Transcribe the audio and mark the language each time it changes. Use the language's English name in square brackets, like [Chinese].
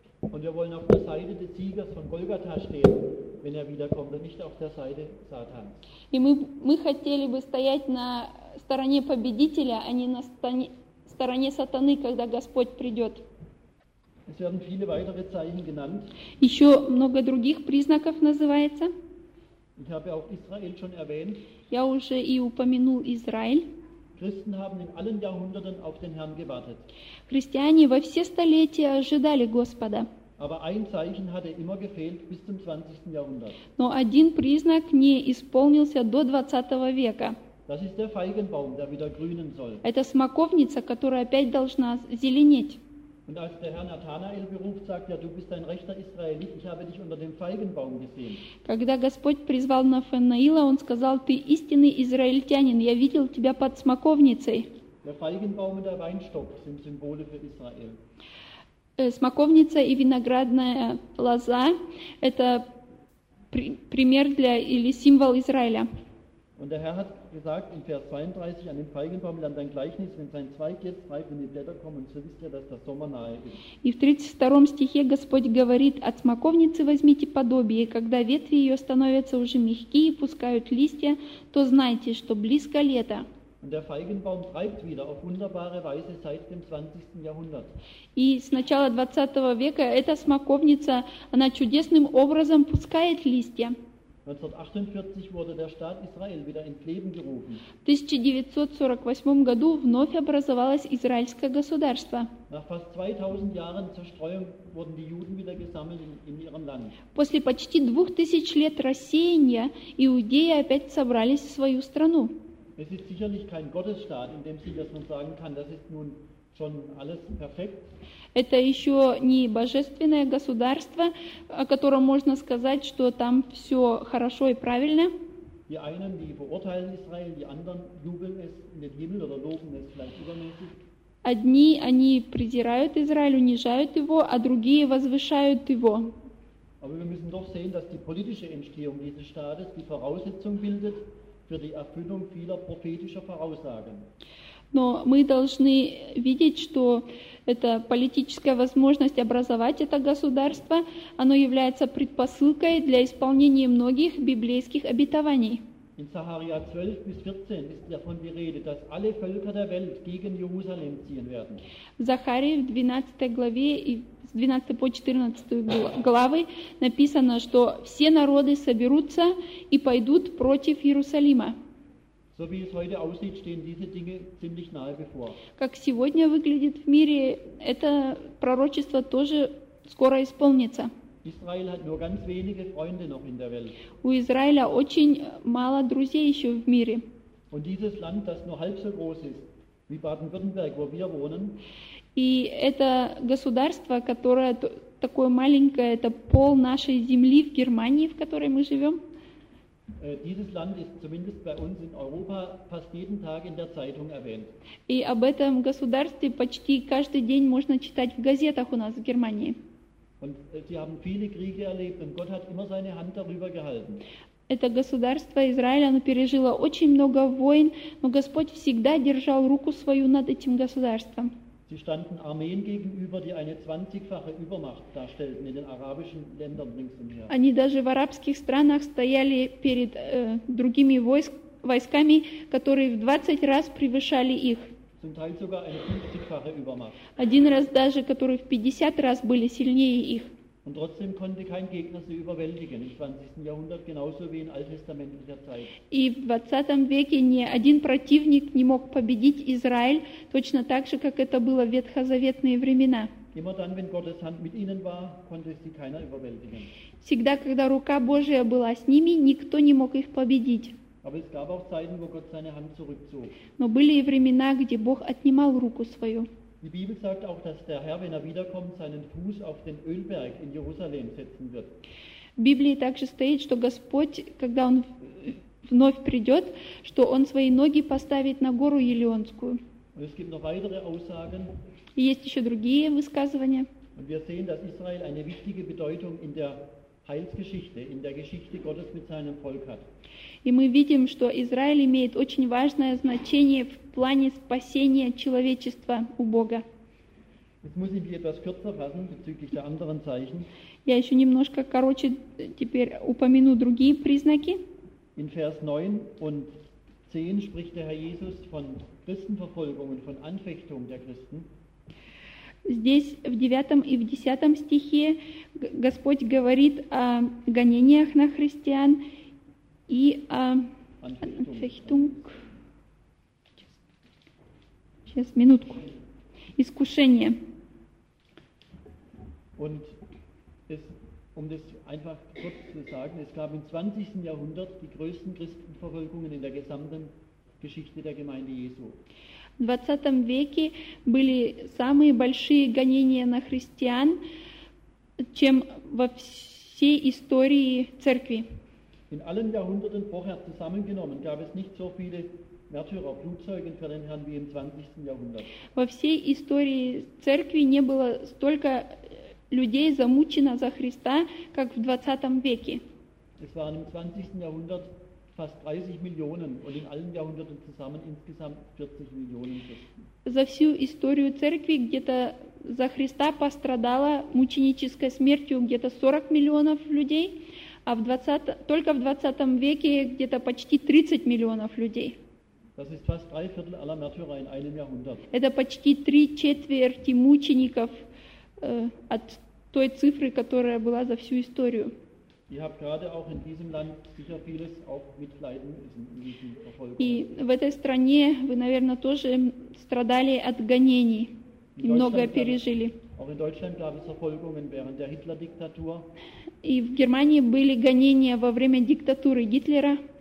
[German] Und wir wollen auf der Seite des Siegers von Golgatha stehen, wenn er wiederkommt, und nicht auf der Seite Satans. [Russian] И мы хотели бы стоять на стороне победителя, а не на стороне сатаны, когда Господь придет. [German] Es werden viele weitere Zeichen genannt. [Russian] Еще много других признаков называется. [German] Ich habe auch Israel schon erwähnt. [Russian] Я уже и упомянул Израиль. [German] Christen haben in allen Jahrhunderten auf den Herrn gewartet. [Russian] Христиане во все столетия ожидали Господа. [German] Aber ein Zeichen hatte immer gefehlt bis zum 20. Jahrhundert. [Russian] Но один признак не исполнился до 20 века. [German] Das ist der Feigenbaum, der wieder grünen soll. [Russian] Это смоковница, которая опять должна зеленеть. [German] Und als der Herr Nathanael beruft, sagt er, du bist ein rechter Israelit, ich habe dich unter dem Feigenbaum gesehen. [Russian] Когда Господь призвал Нафанаила, он сказал, ты истинный израильтянин, я видел тебя под смоковницей. [German] Der Feigenbaum und der Weinstock sind Symbole für Israel. [Russian] Смоковница и виноградная лоза – это пример для или символ Израиля. [German] Und der Herr hat gesagt in Vers 32 an dem Feigenbaum lernt ein Gleichnis, wenn sein Zweig jetzt reif und die Blätter kommen, so wisst ihr, dass der Sommer nahe ist. [Russian] И в 32 стихе Господь говорит: от смоковницы возьмите подобие, когда ветви ее становятся уже мягкие и пускают листья, то знайте, что близко лето. [German] Und der Feigenbaum treibt wieder auf wunderbare Weise seit dem 20. Jahrhundert. [Russian] И с начала 20 века эта смоковница, она чудесным образом пускает листья. [German] 1948 wurde der Staat Israel wieder ins Leben gerufen. [Russian] 1948 году вновь образовалось израильское государство. [German] Nach fast 2000 Jahren Zerstreuung wurden die Juden wieder gesammelt in ihrem Land. [Russian] После почти 2000 лет рассеяния иудеи опять собрались в свою страну. [German] Es ist sicherlich kein Gottesstaat, in dem sie das nun sagen kann, das ist nun schon alles perfekt. [Russian] Это еще не божественное государство, о котором можно сказать, что там все хорошо и правильно. [German] Die einen, die verurteilen Israel, die anderen jubeln es in den Himmel oder loben es vielleicht übermäßig. [Russian] Одни, они презирают Израиль, унижают его, а другие возвышают его. [German] Aber wir müssen doch sehen, dass die politische Entstehung dieses Staates die Voraussetzung bildet, für die Erfüllung vieler prophetischer Voraussagen. [Russian] Но мы должны видеть, что эта политическая возможность образовать это государство, оно является предпосылкой для исполнения многих библейских обетований. [German] In Zacharia 12 bis 14 ist davon die Rede, dass alle Völker der Welt gegen Jerusalem ziehen werden. [Russian] В Захарии в 12 главе и с 12 по 14 главы написано, что все народы соберутся и пойдут против Иерусалима. [German] So wie es heute aussieht, stehen diese Dinge ziemlich nahe bevor. [Russian] Как сегодня выглядит в мире, это пророчество тоже скоро исполнится. [German] Israel hat nur ganz wenige Freunde noch in der Welt. [Russian] У Израиля очень мало друзей еще в мире. [German] Und dieses Land, das nur halb so groß ist wie Baden-Württemberg, wo wir wohnen. [Russian] И это государство, которое такое маленькое, это пол нашей земли в Германии, в которой мы живем. [German] Dieses Land ist zumindest bei uns in Europa fast jeden Tag in der Zeitung erwähnt. [Russian] И об этом государстве почти каждый день можно читать в газетах у нас в Германии. [German] Und sie haben viele Kriege erlebt und Gott hat immer seine Hand darüber gehalten. [Russian] Это государство Израиль, оно пережило очень много войн, но Господь всегда держал руку свою над этим государством. [German] Sie standen Armeen gegenüber, die eine 20-fache Übermacht darstellten in den arabischen Ländern ringsumher. [Russian] Они даже в арабских странах стояли перед другими войсками, которые в 20 раз превышали их. [German] Zum Teil sogar eine 50-fache Übermacht. [Russian] Один раз даже, которые в 50 раz были сильнее их. [German] Und trotzdem konnte kein Gegner sie überwältigen im 20. Jahrhundert, genauso wie in alttestamentlicher Zeit. [Russian] И в 20 веке ни один противник не мог победить Израиль, точно так же, как это было в ветхозаветные времена. [German] Immer dann, wenn Gottes Hand mit ihnen war, konnte sie keiner überwältigen. [Russian] Всегда, когда рука Божия была с ними, никто не мог их победить. [German] Aber es gab auch Zeiten, wo Gott seine Hand zurückzog. [Russian] Но были и времена, где Бог отнимал руку свою. [German] Die Bibel sagt auch, dass der Herr, wenn er wiederkommt, seinen Fuß auf den Ölberg in Jerusalem setzen wird. [Russian] В Библии также стоит, что Господь, когда он вновь придет, что он свои ноги поставит на гору Елеонскую. [German] Und es gibt noch weitere Aussagen. [Russian] И есть еще другие высказывания. [German] Und wir sehen, dass Israel eine wichtige Bedeutung in der Heilsgeschichte, in der Geschichte Gottes mit seinem Volk hat. [Russian] И мы видим, что Израиль имеет очень важное значение в плане спасения человечества у Бога. [German] Jetzt muss ich mich etwas kürzer fassen bezüglich der anderen Zeichen. [Russian] Я еще немножко короче теперь упомяну другие признаки. [German] In Vers 9 und 10 spricht der Herr Jesus von Christenverfolgung und von Anfechtung der Christen. [Russian] Здесь в 9 и в 10 стихе Господь говорит о гонениях на христиан и о Anfechtung. Сейчас минутку. Искушение. [German] Und es, um das einfach kurz zu sagen, es gab im 20. Jahrhundert die größten Christenverfolgungen in der gesamten Geschichte der Gemeinde Jesu. [Russian] В 20 веке были самые большие гонения на христиан, чем во всей истории церкви. [German] In allen Jahrhunderten vorher zusammengenommen gab es nicht so viele Märtyrerflugzeuge für den Herrn wie im 20. Jahrhundert. [Russian] Во всей истории церкви не было столько людей замучено за Христа, как в 20 веке. [German] Es waren im 20. Jahrhundert fast 30 Millionen und in allen Jahrhunderten zusammen insgesamt 40 Millionen Christen. [Russian] За всю историю церкви где-то за Христа пострадало мученической смертью где-то 40 миллионов людей, а в 20, только в 20 веке где-то почти 30 миллионов людей. [German] Das ist fast drei Viertel aller Märtyrer in einem Jahrhundert. [Russian] Это почти три четверти мучеников от той цифры, которая была за всю историю. [German] Ihr habt gerade auch in diesem Land sicher vieles auch mitleiden müssen in diesem Verfolgung. [Russian] И в этой стране вы, наверное, тоже страдали от гонений и многое пережили. [German] Auch in Deutschland gab es Verfolgungen während der Hitler-Diktatur. [Russian] И в Германии были гонения во время диктатуры Гитлера.